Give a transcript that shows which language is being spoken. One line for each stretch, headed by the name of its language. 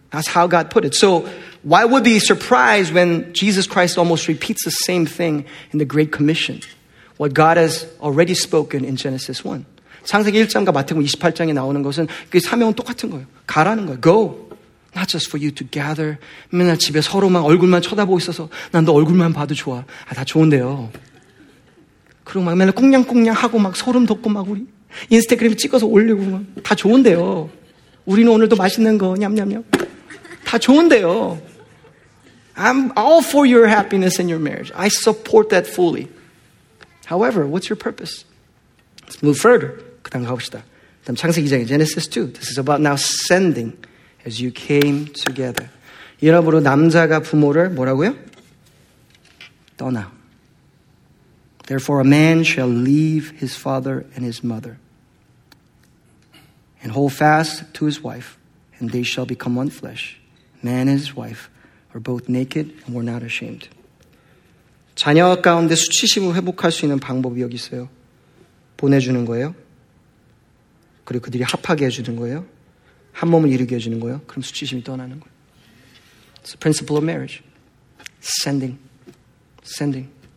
English: That's how God put it. So why would we be surprised when Jesus Christ almost repeats the same thing in the Great Commission? What God has already spoken in Genesis 1.
Korean: 창세기 1장과 마태복음 28장에 나오는 것은 그 사명은 똑같은 거예요. 가라는 거예요.
English: Go. Not just for you to gather.
Korean: 맨날 집에 서로만 얼굴만 쳐다보고 있어서 난 너 얼굴만 봐도 좋아. 아, 다 좋은데요. 그리고 막 맨날 꽁냥꽁냥 하고 막 소름 돋고 막 우리 인스타그램에 찍어서 올리고 막 다 좋은데요. 우리는 오늘도 맛있는 거 냠냠냠. 다 좋은데요.
English: I'm all for your happiness and your marriage. I support that fully. However, what's your purpose? Let's move further.
Korean: 그 다음 가봅시다. 그 다음 창세기 2장에 Genesis 2.
English: This is about now sending as you came together.
Korean: 이러므로 남자가 부모를 뭐라고요? 떠나.
English: Therefore a man shall leave his father and his mother. And hold fast to his wife, and they shall become one flesh. Man and his wife are both naked and were not ashamed.
Korean: 자녀 가운데 수치심을 회복할 수 있는 방법이 여기 있어요. 보내주는 거예요. 그리고 그들이 합하게 해주는 거예요. 한 몸을 이루게 해주는 거예요. 그럼 수치심이 떠나는 거예요.
English: It's the principle of marriage. Sending. Sending.